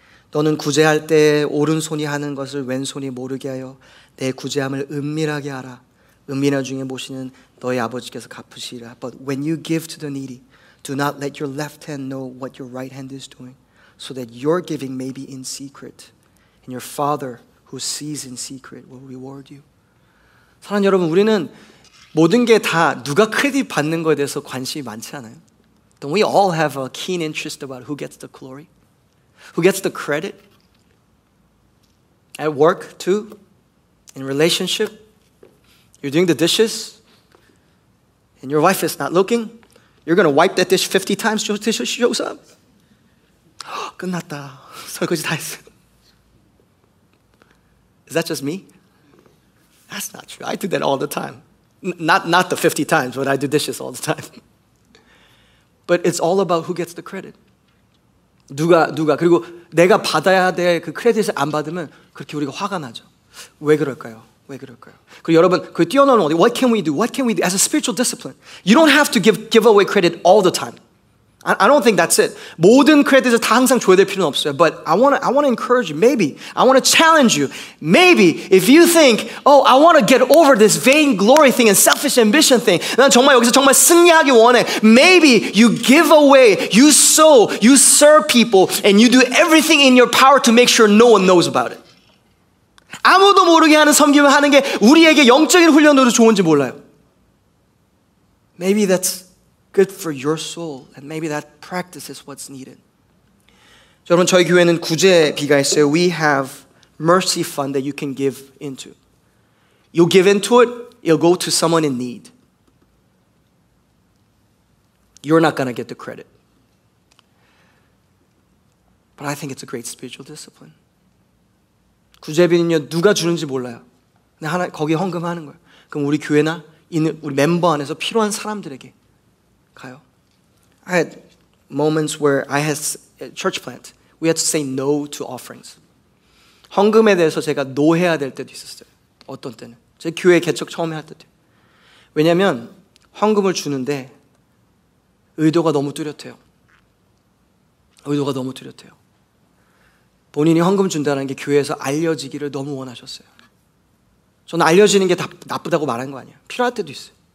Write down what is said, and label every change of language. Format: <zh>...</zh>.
<ko>너는 구제할 때 오른손이 하는 것을 왼손이 모르게 하여 내 구제함을 은밀하게 하라. 은밀한 중에 모시는 너의 아버지께서 갚으시리라.</ko> <en>But when you give to the needy, do not let your left hand know what your right hand is doing, so that your giving may be in secret, and your Father who sees in secret will reward you.</en> <ko>사랑하는 여러분, 우리는 모든 게 다 누가 크레딧 받는 거에 대해서 관심이 많지 않아요?</ko> <en>Don't we all have a keen interest about who gets the glory? Who gets the credit? At work, too? In relationship? You're doing the dishes? And your wife is not looking? You're going to wipe that dish 50 times just till she shows up?</en> <ko>끝났다. 설거지 다 했어.</ko> <en>Is that just me? That's not true. I do that all the time. Not the 50 times, but I do dishes all the time. But it's all about who gets the credit.</en> <ko>누가. 그리고 내가 받아야 될 그 크레딧을 안 받으면 그렇게 우리가 화가 나죠. 왜 그럴까요? 그리고 여러분, 그 뛰어넘는 어디?</ko> <en>What can we do? As a spiritual discipline. You don't have to give away credit all the time. I don't think that's it.</en> <ko>모든 크레딧을 다 항상 줘야 될 필요는 없어요.</ko> <en>But I want to encourage you. Maybe. I want to challenge you. Maybe if you think, oh, I want to get over this vainglory thing and selfish ambition thing.</en> <ko>난 정말 여기서 정말 승리하기 원해.</ko> <en>Maybe you give away, you sow, you serve people, and you do everything in your power to make sure no one knows about it.</en> <ko>아무도 모르게 하는 섬김을 하는 게 우리에게 영적인 훈련으로 좋은지 몰라요.</ko> <en>Maybe that's good for your soul, and maybe that practice is what's needed.</en> <ko>여러분, 저희 교회는 구제비가 있어요.</ko> <en>We have mercy fund that you can give into. You'll give into it, it'll go to someone in need. You're not going to get the credit. But I think it's a great spiritual discipline.</en> <ko>구제비는요, 누가 주는지 몰라요. 근데 하나, 거기 헌금하는 거예요. 그럼 우리 교회나 있는 우리 멤버 안에서 필요한 사람들에게 가요.</ko> <en>I had moments where I had church plant. We had to say no to offerings.</en> <ko>헌금에 대해서 제가 no 해야 될 때도 있었어요. 어떤 때는. 제 교회 개척 처음에 할 때도. 왜냐하면 헌금을 주는데 의도가 너무 뚜렷해요. 의도가 너무 뚜렷해요. 본인이 헌금 준다는 게 교회에서 알려지기를 너무 원하셨어요. 저는 알려지는 게 다 나쁘다고 말한 거 아니에요. 필요할 때도 있어요.</ko>